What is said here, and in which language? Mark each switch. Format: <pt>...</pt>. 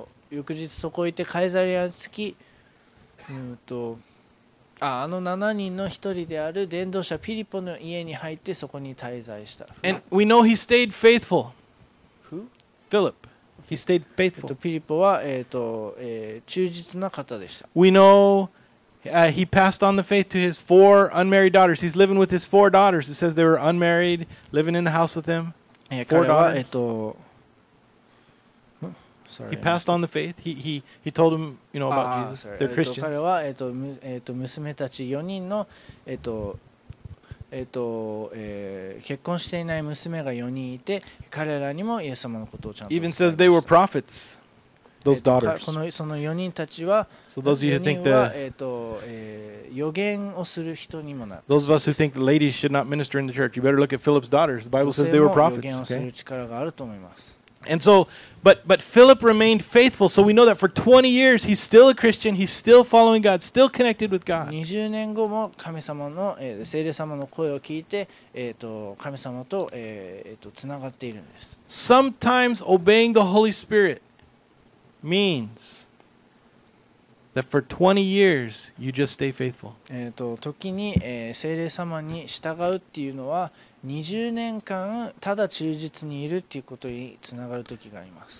<ja>翌日そこ行ってカイザリアに着き、あの7人の1人である伝道者ピリポの家に入ってそこに滞在した。</ja> <en>And we know he stayed faithful. Who? Philip. He stayed faithful.</en> <ja>ピリポは忠実な方でした。</ja> <en>We know he passed on the faith to his four unmarried daughters. He's living with his four daughters. It says they were unmarried, living in the house with him. He passed on the faith. He told them, you know, about Jesus. They're Christians.</en> <ja>彼は娘たち4人の結婚していない娘が4人いて、彼らにもイエス様のことをちゃんと。</ja> <en>Even says they were prophets. Those daughters.</en> <ja>その4人たちは、</ja> <en>So those of you who think the</en> <ja>予言をする人にもなる。</ja> <en>Those of us who think the ladies should not minister in the church, you better look at Philip's daughters. The Bible says they were prophets.</en> <ja>女性も予言をする力があると思います。</ja> <en>And so, but Philip remained faithful. So we know that for 20 years, he's still a Christian. He's still following God, still connected with God.</en> <ja>20年後も神様の、聖霊様の声を聞いて、神様と、つながっているんです。</ja> <en>Sometimes obeying the Holy Spirit means that for 20 years, you just stay faithful.</en> <ja>時に、聖霊様に従うっていうのは、20年間ただ忠実にいるっていうことにつながる時があります。</ja>